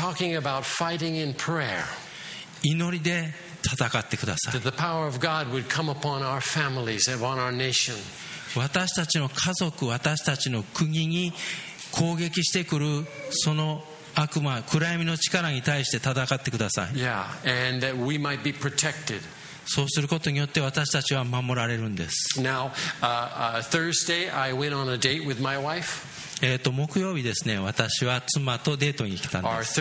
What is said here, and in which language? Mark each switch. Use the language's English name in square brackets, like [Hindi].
[English] I'm talking about fighting in prayer. [Japanese] 祈りで戦ってください。 [English] That the power of God would come upon our families and upon our nation. [Japanese] 私たちの家族、私たちの国に攻撃してくるその悪魔、暗闇の力に対して戦ってください。 [English] Yeah, and that we might be protected. [Japanese] そうすることによって私たちは守られるんです。 [English] Now, Thursday, I went on a date with my wife. [Japanese] 木曜日ですね、私は妻とデートに来たんです。